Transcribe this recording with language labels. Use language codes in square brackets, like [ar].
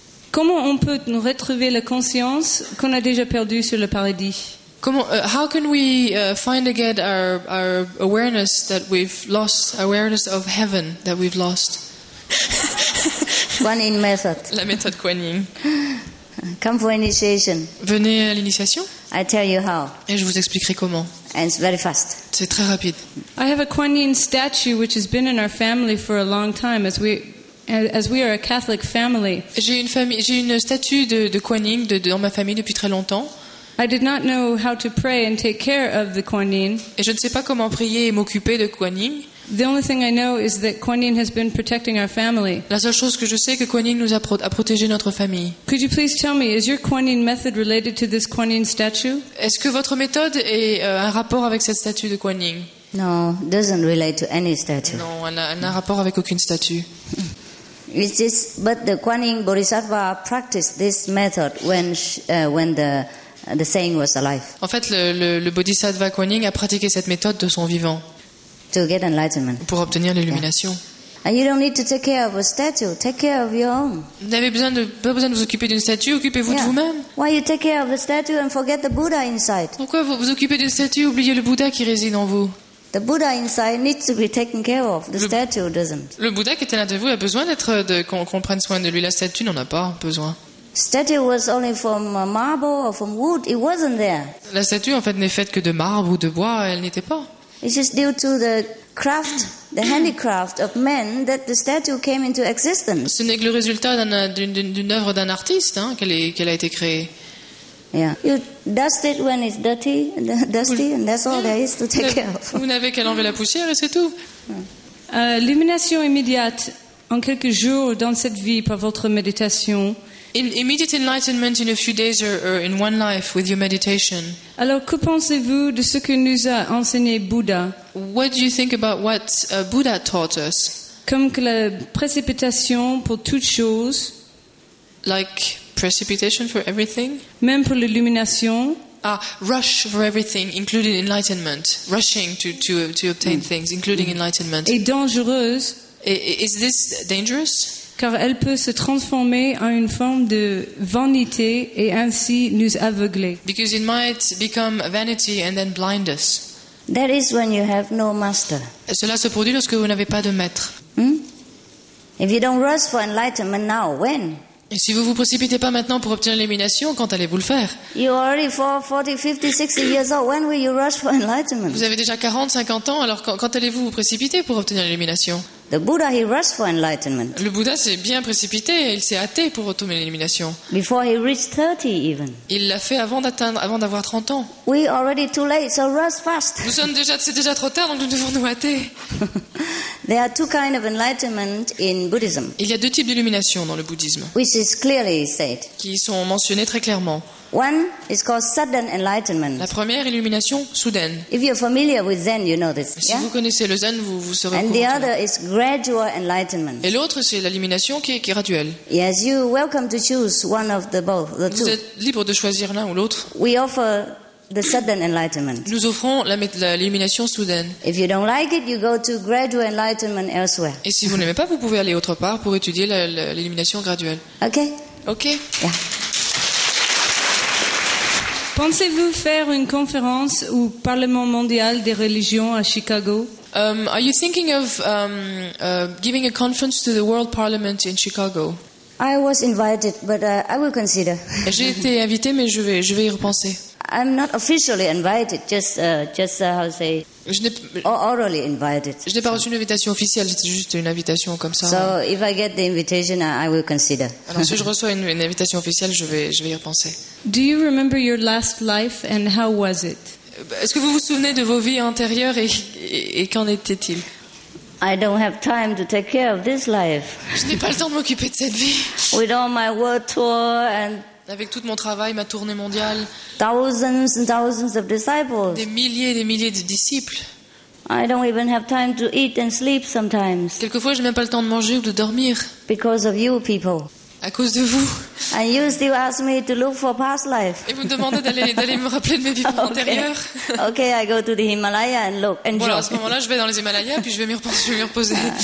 [fr] Comment on peut nous retrouver la conscience qu'on a déjà perdue sur le paradis? [en] How can we find again our awareness that we've lost, awareness of heaven that we've lost? Guanyin method. [fr] La méthode Guanyin. [en] Come for initiation. [fr] Venez à l'initiation. [en] I tell you how. [fr] Et je vous expliquerai comment. [en] And it's very fast. [fr] C'est très rapide. [en] I have a Kuan Yin statue which has been in our family for a long time as we are a Catholic family. [fr] J'ai une statue de Kuan Yin dans ma famille depuis très longtemps. [en] I did not know how to pray and take care of the Kuan Yin. [fr] Et je ne sais pas comment prier et m'occuper de Kuan Yin. [en] The only thing I know is that Kuan Yin has been protecting our family. [fr] La seule chose que je sais que Kuan Yin nous a protégé notre famille. [en] Could you please tell me, is your Kuan Yin method related to this Kuan Yin statue? [fr] Est-ce que votre méthode est un rapport avec cette statue de Kuan Yin? [en] No, doesn't relate to any statue. [fr] Non, elle n'a rapport avec aucune statue. [en] It's just, but the Kuan Yin Bodhisattva practiced this method when the saying was alive. [fr] En fait, le Bodhisattva Kuan Yin a pratiqué cette méthode de son vivant. [en] To get enlightenment. [fr] Pour obtenir l'illumination. Yeah. [en] And you don't need to take care of a statue. Take care of your own. [fr] Vous n'avez pas besoin de vous occuper d'une statue. Occupez-vous de vous-même. [en] Why you take care of a statue and forget the Buddha inside? [fr] Pourquoi vous occupez d'une statue, oubliez le Bouddha qui réside en vous? [en] The Buddha inside needs to be taken care of. The statue doesn't. [fr] Le Bouddha qui est à l'intérieur de vous a besoin qu'on prenne soin de lui. La statue n'en a pas besoin. [en] Statue was only from marble or from wood. It wasn't there. [fr] La statue en fait n'est faite que de marbre ou de bois. Elle n'était pas. [en] It's just due to the craft, the handicraft of men that the statue came into existence. [fr] Ce n'est que le résultat d'une œuvre d'un artiste, hein, qu'elle a été créée. Yeah. [en] You dust it when it's dusty, and that's all there is to take care of. [fr] Vous n'avez qu'à enlever la poussière et c'est tout. L'illumination immédiate en quelques jours dans cette vie par votre méditation. [en] Immediate enlightenment in a few days or in one life with your meditation. [fr] Alors, que pensez-vous de ce que nous a enseigné Bouddha? [en] What do you think about what Buddha taught us? [fr] Comme que la précipitation pour toute chose. [en] Like precipitation for everything? [fr] Même pour l'illumination. [en] Ah, rush for everything, including enlightenment. Rushing to obtain things, including enlightenment. [fr] Et dangereuse. [en] Is this dangerous? [fr] Car elle peut se transformer en une forme de vanité et ainsi nous aveugler. [en] Because it might become vanity and then blind us. That is when you have no master. [fr] Cela se produit lorsque vous n'avez pas de maître. [en] If you don't rush for enlightenment now, when? [fr] Et si vous ne vous précipitez pas maintenant pour obtenir l'illumination, quand allez-vous le faire? [en] You are already 40, 50, 60 years old. When will you rush for enlightenment? [fr] Vous avez déjà 40, 50 ans, alors quand allez-vous vous précipiter pour obtenir l'illumination? [en] The Buddha, he rushed for enlightenment. [fr] Le Bouddha s'est bien précipité, il s'est hâté pour retomber l'illumination. [en] Before he reached 30 even. [fr] Il l'a fait avant d'avoir 30 ans. [en] We are already too late, so rush fast. [fr] C'est déjà trop tard, donc nous devons nous hâter. [en] There are two kinds of enlightenment in Buddhism. [fr] Il y a deux types d'illumination dans le bouddhisme. [en] Which is clearly said. [fr] Qui sont mentionnés très clairement. [en] One is called sudden enlightenment. [fr] La première illumination soudaine. [en] If you're familiar with Zen, you know this. [fr] Si vous connaissez le Zen, vous serez. [en] And the other is gradual enlightenment. [fr] Et l'autre c'est l'illumination qui est graduelle. [en] Yes, you're welcome to choose one of the two. [fr] Vous êtes libre de choisir l'un ou l'autre. [en] We offer the sudden enlightenment. [fr] Nous offrons l'illumination soudaine. [en] If you don't like it, you go to gradual enlightenment elsewhere. [fr] Et si vous n'aimez pas, vous pouvez aller autre part pour étudier l'illumination graduelle. Okay. Okay. Yeah. Pensez-vous faire une conférence au Parlement mondial des religions à Chicago? [en] Are you thinking of giving a conference to the World Parliament in Chicago? I was invited, but I will consider. [fr] J'ai été invité, mais je vais y repenser. [en] I'm not officially invited, just orally invited. [fr] Je n'ai pas reçu une invitation officielle, c'était juste une invitation comme ça. [en] So if I get the invitation, I will consider. [fr] Alors si je reçois une invitation officielle, je vais y repenser. [en] Do you remember your last life and how was it? [fr] Est-ce que vous vous souvenez de vos vies antérieures et qu'en était-il? [en] I don't have time to take care of this life. [fr] Je n'ai pas le temps de m'occuper de cette vie. [en] With all my world tour and [fr] avec tout mon travail, ma tournée mondiale, [en] thousands and thousands of disciples. [fr] Des milliers de disciples. [en] I don't even have time to eat and sleep sometimes. [fr] Quelquefois, j'ai même pas le temps de manger ou de dormir. [en] Because of you people. [fr] À cause de vous. [en] And you still ask me to look for past life. [fr] Et vous me demandez d'aller me rappeler de mes vies antérieures. [en] Okay, I go to the Himalaya and look. Enjoy. [fr] Voilà, à ce moment-là, je vais dans les Himalayas puis je vais m'y reposer.